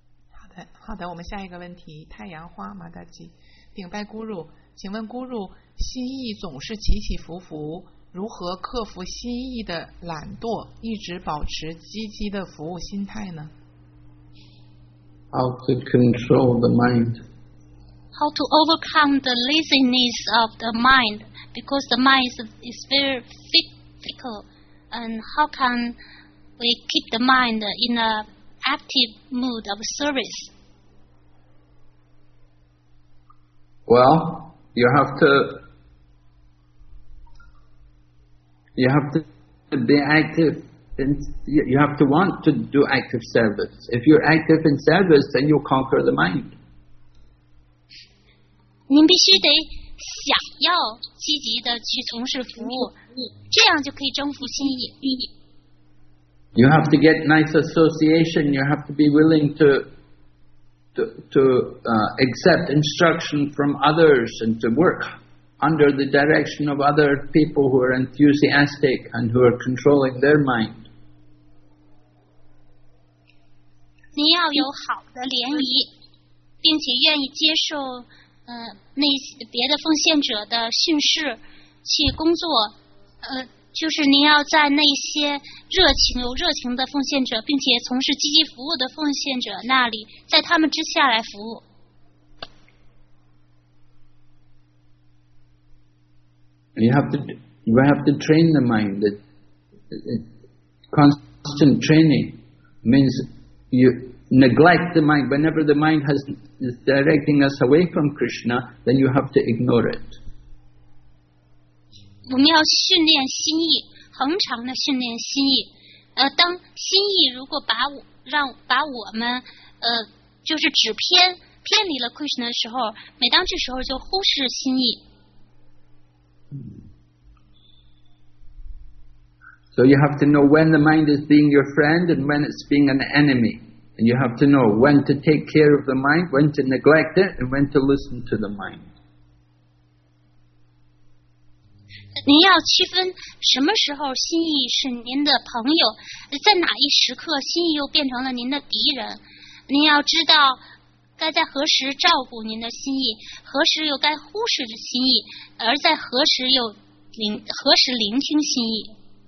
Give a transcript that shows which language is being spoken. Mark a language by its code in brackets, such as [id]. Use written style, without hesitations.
[zh] 好的，好的，我们下一个问题。太阳花马达吉顶拜咕噜，请问咕噜，心意总是起起伏伏，如何克服心意的懒惰，一直保持积极的服务心态呢？ [en] How to control the mind. How to overcome the laziness of the mind, because the mind is very fickle. And how can we keep the mind in an active mood of service? Well, you have to be active. Then you have to want to do active service. If you're active in service, then you'll conquer the mind. [zh] 您必须得想要积极的去从事服务，这样就可以征服心意。 [en] You have to get nice association. You have to be willing to accept instruction from others and to work under the direction of other people who are enthusiastic and who are controlling their mind. [zh] 您要有好的联谊，并且愿意接受那些别的奉献者的训示去工作，就是您要在那些有热情的奉献者，并且从事积极服务的奉献者那里，在他们之下来服务。 [en] You have to train the mind. Constant training means you. Neglect the mind. Whenever the mind is directing us away from Krishna, then you have to ignore it. [zh] 我们要训练心意，恒常的训练心意。当心意如果把我们就是指偏离了 Krishna 的时候，每当这时候就忽视心意。 [en] So you have to know when the mind is being your friend and when it's being an enemy. And you have to know when to take care of the mind, when to neglect it, and when to listen to the mind. [zh] 您要区分什么时候心意是您的朋友，在哪一时刻心意又变成了您的敌人。您要知道该在何时照顾您的心意，何时又该忽视着心意，而在何时聆听心意。